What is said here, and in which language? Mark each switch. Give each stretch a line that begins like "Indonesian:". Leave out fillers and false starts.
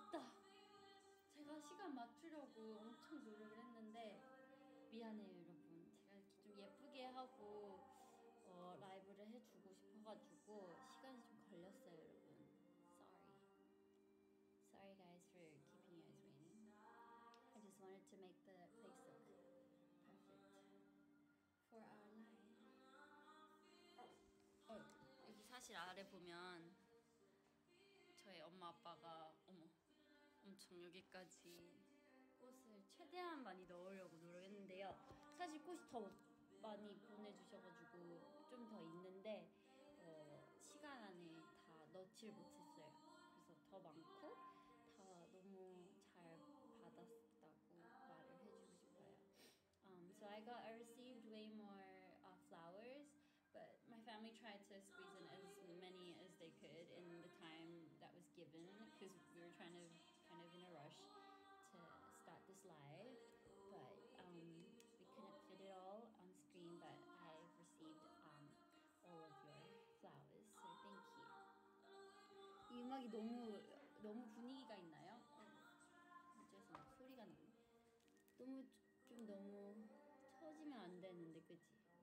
Korean: 하려고 엄청 노력을 했는데 미안해요 여러분. 제가 이렇게 좀 예쁘게 하고 라이브를 해주고 싶어가지고 시간이 좀 걸렸어요 여러분.
English: Sorry guys for keeping you guys waiting. I just wanted to make the place look perfect for our life.
Korean: 여기 사실 아래 보면 저희 엄마 아빠가 어머 엄청 여기까지 꽃을 최대한 많이 넣으려고 노력했는데요. 사실 꽃이 더 많이 보내주셔가지고 좀 더 있는데 시간 안에 다 넣질 못했어요. 그래서 더 많고 다 너무 잘 받았다고 말을 해주고 싶어요.
English: So I received way more flowers, but my family tried to squeeze in as many as they could in the time that was given because we were trying to kind of in a rush to start this live, but we couldn't fit it all on screen. But I've received all of your flowers, so thank you.
Korean: 이 음악이 너무 분위기가 있나요? 죄송 소리가 너무 좀 너무 처지면 안 되는데 그치?